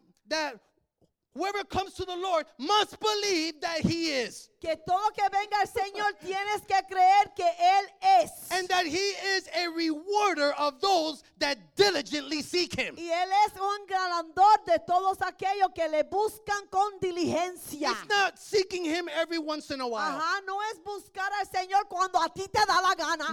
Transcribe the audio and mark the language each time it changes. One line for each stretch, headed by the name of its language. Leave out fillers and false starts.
English: that whoever comes to the Lord must believe that he is.
Spanish: Que todo que venga al Señor tienes que creer que él es.
English: And that he is a rewarder of those that diligently seek him.
Spanish: Y él es un galardón de todos aquellos que le buscan con diligencia.
English: It's not seeking him every once in a while.
Spanish: Ajá, no es buscar al Señor cuando a ti te da la gana.